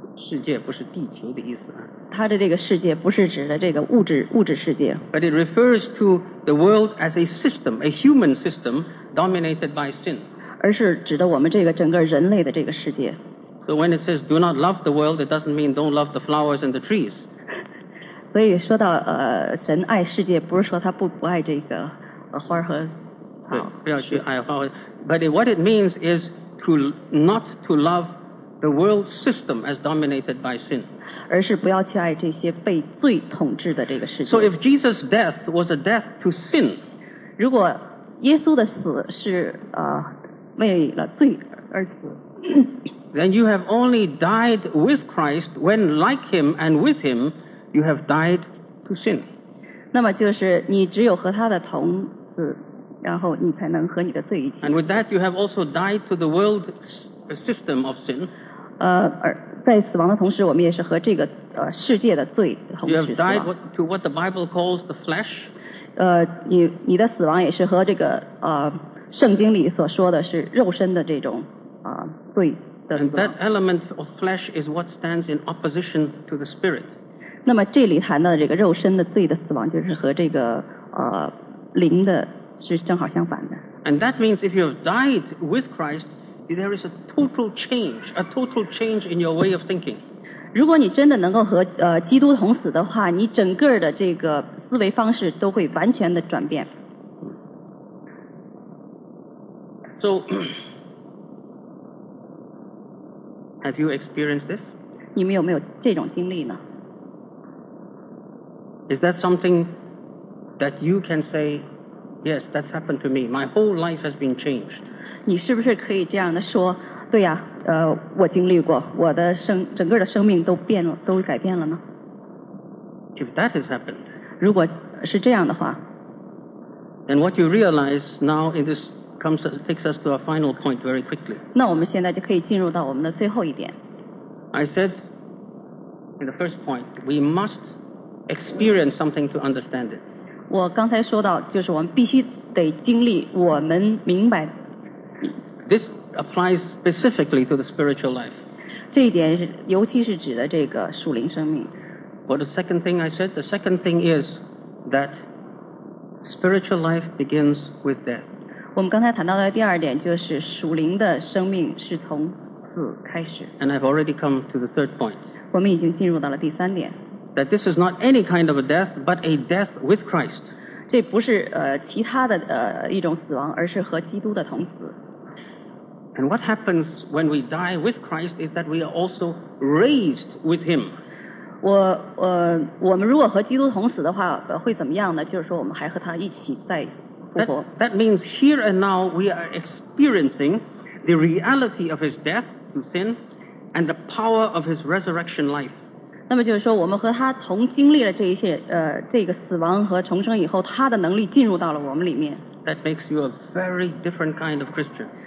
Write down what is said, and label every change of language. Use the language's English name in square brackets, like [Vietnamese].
[Chinese] 世界不是地球的意思啊。它的这个世界不是指的这个物质世界。 [English] But it refers to the world as a system, a human system dominated by sin. [Chinese] 而是指的我们这个整个人类的这个世界。 [English] So when it says do not love the world, it doesn't mean don't love the flowers and the trees. [Chinese] 所以说到神爱世界，不是说他不爱这个花和草。不要去爱花。 [English] But what it means is to not to love the world system as dominated by sin. [Chinese] 而是不要去爱这些被罪统治的这个世界。 [English] So if Jesus' death was a death to sin, [Chinese] 如果耶稣的死是为了罪而死， [English] then you have only died with Christ when like him and with him you have died to sin. [Chinese] 那么就是你只有和他的同死，然后你才能和你的罪一起。 [English] And with that you have also died to the world system of sin. [Chinese] 在死亡的同时，我们也是和这个世界的罪同时死亡。 [English] You have died to what the Bible calls the flesh. [Chinese] 你的死亡也是和这个圣经里所说的是肉身的这种罪的死亡。 [English] And that element of flesh is what stands in opposition to the spirit. [Chinese] 那么这里谈到的这个肉身的罪的死亡，就是和这个灵的是正好相反的。 [English] And that means if you have died with Christ. There is a total change in your way of thinking. [Chinese] 如果你真的能够和基督同死的话，你整个的这个思维方式都会完全的转变。 [English] So, have you experienced this? [Chinese] 你们有没有这种经历呢？ [English] Is that something that you can say, yes, that's happened to me. My whole life has been changed. [Chinese] 你是不是可以这样的说，对呀，我经历过，我的整个的生命都变了，都改变了呢？ [English] If that has happened, [Chinese] 如果是这样的话， [English] then what you realize now in this takes us to our final point very quickly. [Chinese] 那我们现在就可以进入到我们的最后一点。 [English] I said in the first point, we must experience something to understand it. [Chinese] 我刚才说到，就是我们必须得经历，我们明白。 [English] This applies specifically to the spiritual life. [Chinese] 这一点尤其是指的这个属灵生命。 [English] What the second thing I said? The second thing is that spiritual life begins with death. [Chinese] 我们刚才谈到的第二点就是属灵的生命是从死开始。 [English] And I've already come to the third point. [Chinese] 我们已经进入到了第三点。 [English] That this is not any kind of a death, but a death with Christ. [Chinese] 这不是其他的一种死亡，而是和基督的同死。 [English] And what happens when we die with Christ is that we are also raised with Him. [Chinese] 我们如果和基督同死的话，会怎么样呢？就是说，我们还和他一起在复活。 [English] That means here and now we are experiencing the reality of His death to sin and the power of His resurrection life. [Chinese] 那么就是说，我们和他同经历了这一切，这个死亡和重生以后，他的能力进入到了我们里面。 [English] That makes you a very different kind of Christian.